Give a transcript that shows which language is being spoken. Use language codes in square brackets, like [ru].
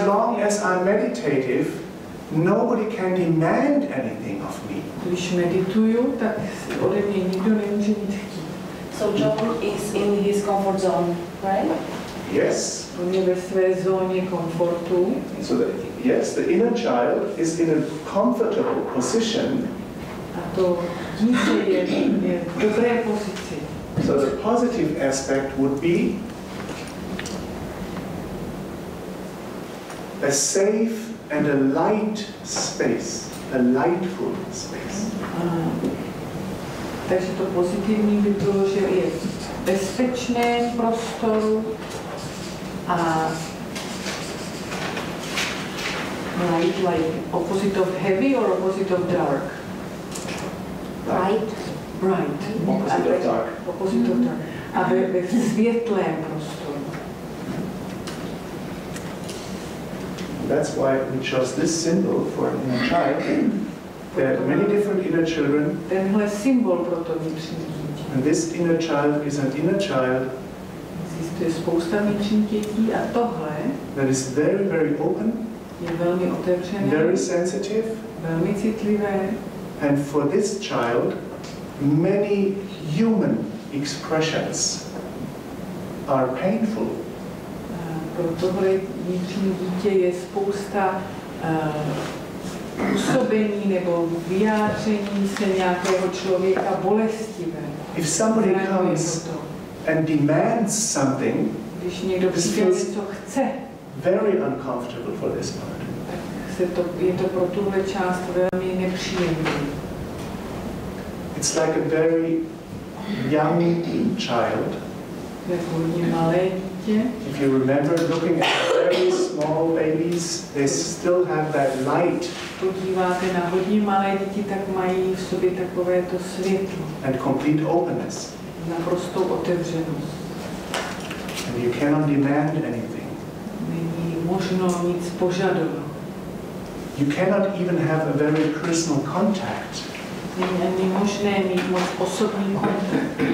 [en] As long as I'm meditative, nobody can demand anything of me. [cs] Když medituju, tak ode mě nikdo nemůže nic chtít. [en] So John is in his comfort zone, right? Yes. [cs] On je ve své zóně komfortu. [en] So the, yes, the inner child is in a comfortable position. [cs] A to dítě je v dobré pozici. [en] So the positive aspect would be a safe and a light space, a lightful space. [cs] Takže to pozitivní by bylo, že je v bezpečném prostoru a [en] light, like opposite of heavy or opposite of dark? Light. Bright. Opposite of dark. Opposite of dark. [cs] A ve světlém prostoru. [en] That's why we chose this symbol for an inner child. There are many different inner children. [cs] Tenhle symbol pro to vnitřní dítě. [en] And this inner child is an inner child. [cs] Existuje spousta vnitřních dětí a tohle. [en] That is very, very open. [cs] Je velmi otevřené. [en] Very sensitive. [cs] Velmi citlivé. [en] And for this child, many human expressions are painful. [cs] Pro tohle vnitřní dítě je spousta působení nebo vyjádření se nějakého člověka bolestivé. [en] If somebody comes and demands something, [cs] když někdo přijde, co chce, [en] very uncomfortable for this part. [cs] Se to, je to pro tuhle část velmi nepříjemné. [en] It's like a very young child. [cs] Jako hodně malé dítě. [en] If you remember looking at very small babies, they still have that light. [cs] Podíváte na hodně malé děti, tak mají v sobě takové to světlo. [en] And complete openness. [cs] Naprostou otevřenost. [en] And you cannot demand anything. [cs] Není možno nic požadovat. [en] You cannot even have a very personal contact. [cs] Není možné mít moc osobní kontakt.